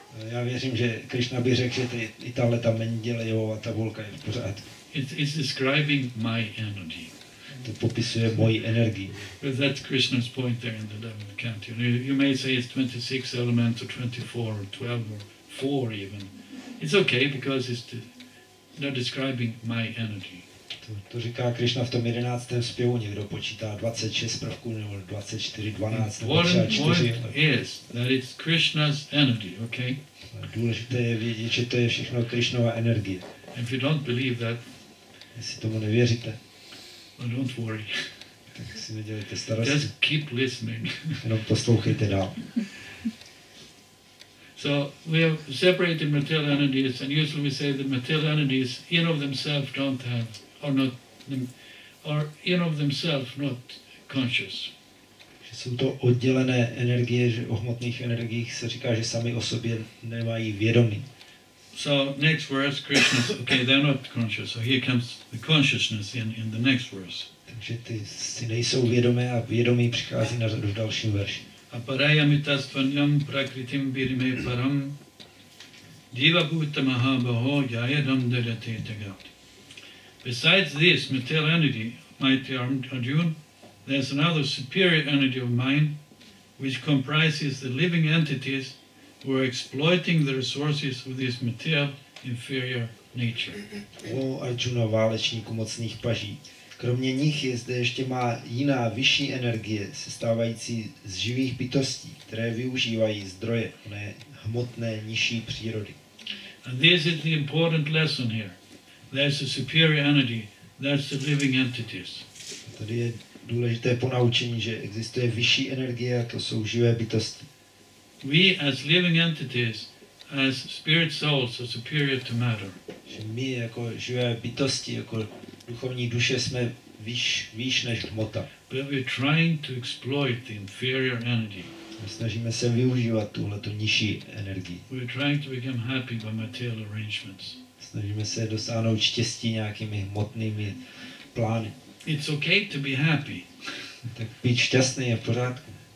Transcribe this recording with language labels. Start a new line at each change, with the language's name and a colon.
Czech: Já věřím, že Krishna by řekl, že i tahle ta Mendelejevova tabulka je v pořádku.
English: It's describing my energy.
Czech: To popisuje moji energii.
English: But that's Krishna's point there in the 11th canto. You may say it's 26 elements or 24 or 12 or 4 even. It's okay because it's not describing my energy.
Czech: To říká Krishna v tom 11. zpěvu, někdo počítá 26 prvků nebo 24, 12 nebo 34.
English: Point is that it's Krishna's energy, okay?
Czech: Důležité je vědět, že to je všechno Krishnova energie.
English: If you don't believe that,
Czech: jestli tomu nevěříte,
English: well, don't worry.
Czech: Tak si nedělejte starosti.
English: Just keep listening.
Czech: Jenom poslouchejte dál.
English: So we have separated material energies, and usually we say that material energies in of themselves don't have, are in of themselves not conscious.
Czech: Že jsou to oddělené energie, že o hmotných energiích se říká, že sami o sobě nemají vědomí.
English: So next verse, Krishna, okay, they're not conscious. So here comes the consciousness in the next verse.
Czech: Takže ty si nejsou vědomé a vědomí přichází na řadu v dalším verši.
Sanskrit: Aparayamitasvanyam prakritim virime param divabhuta mahabaho jayadam dadate tagat.
English: Besides this material energy, mighty Arjuna, there is another superior energy of mind which comprises the living entities who are exploiting the resources of this material inferior nature.
Czech: O Arjuna, válečníku mocných paží. Kromě nich je zde ještě má jiná vyšší energie, sestávající z živých bytostí, které využívají zdroje oné hmotné nižší přírody.
English: And this is the important lesson here. There's a superior energy. That's the living entities.
Czech: Tady je důležité ponaučení, že existuje vyšší energie, a to jsou živé bytosti.
English: We as living entities, as spirit souls, are superior to matter.
Czech: Že my jako živé bytosti, jako duchovní duše, jsme výš než hmota.
English: But we're trying to exploit the inferior energy.
Czech: My snažíme se využívat tuhle tu nižší energii.
English: We're trying to become happy by material arrangements.
Czech: Snažíme se dosáhnout štěstí nějakými hmotnými plány.
English: It's okay to be happy.
Czech: Tak být šťastný je v pořádku.